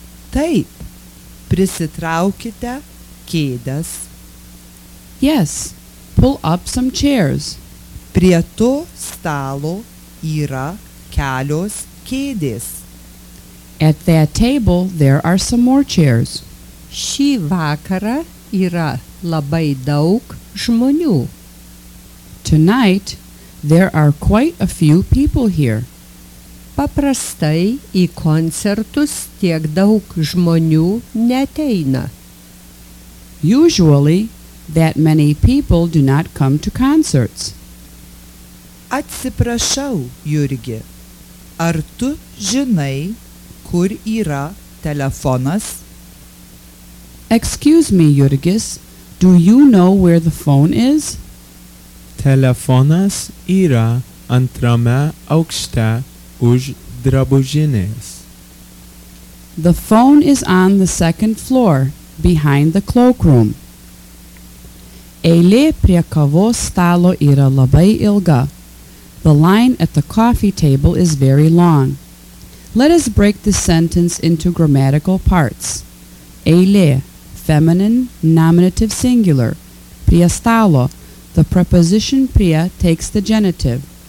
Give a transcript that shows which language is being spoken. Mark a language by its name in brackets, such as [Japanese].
[Lithuanian] Taip, prisitraukite kėdas. [English] Yes, pull up some chairs. [Lithuanian] Prie to stalo yra kelios kėdės. [English] At that table there are some more chairs. [Lithuanian] Šį vakarą yra labai daug žmonių. [English] Tonight there are quite a few people here. [Lithuanian] Paprastai į koncertus tiek daug žmonių neateina. [English] Usually that many people do not come to concerts. [Lithuanian] Atsiprašau, Jurgi, ar tu žinai, kur yra telefonas? [English] Excuse me, Jurgis, do you know where the phone is? [Lithuanian] Telefonas yra antrame aukšte už drabužinės. [English] The phone is on the second floor, behind the cloakroom. [Lithuanian] Eilė prie kavos stalo yra labai ilga. [English] The line at the coffee table is very long. Let us break the sentence into grammatical parts. Eilė, feminine, nominative singular. Prie stalo, the preposition prie takes the genitive.